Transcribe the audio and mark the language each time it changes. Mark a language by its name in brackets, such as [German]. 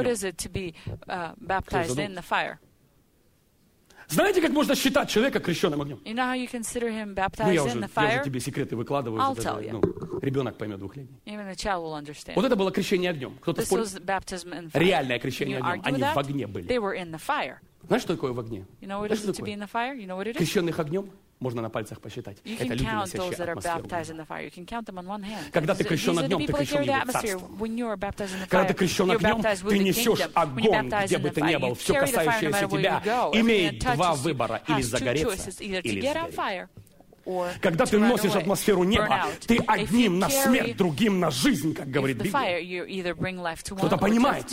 [English] What is it to be baptized in the fire? [Russian] Знаете, как можно считать человека крещенным огнем? [English] You know how you consider him baptized in the fire? [Russian] Я уже тебе секреты выкладываю. [English] I'll tell you. [Russian] Ребенок поймет двухлетний. [English] Even the child will understand. [Russian] Вот это было крещение огнем. Кто-то спорит? [English] This was baptism in fire. [Russian] Реальное крещение огнем. Они в огне были. [English] They were in the fire. [Russian] Знаешь, что такое в огне? [English] You know what it is to be in the fire? You know what it is? [Russian] Крещенных огнем? Можно на пальцах посчитать. [English] You can [Russian] это [English] count those that are baptized in the fire. You can count them on one hand. [Russian] Когда ты крещен огнем, ты крещен его царством. Когда ты крещен огнем, ты несешь огонь, где бы ты ни был. Все касающееся тебя имеет два выбора. Или загореться, или сгореть. Когда ты носишь атмосферу неба, ты одним на смерть, другим на жизнь, как говорит Библия. Кто-то понимает.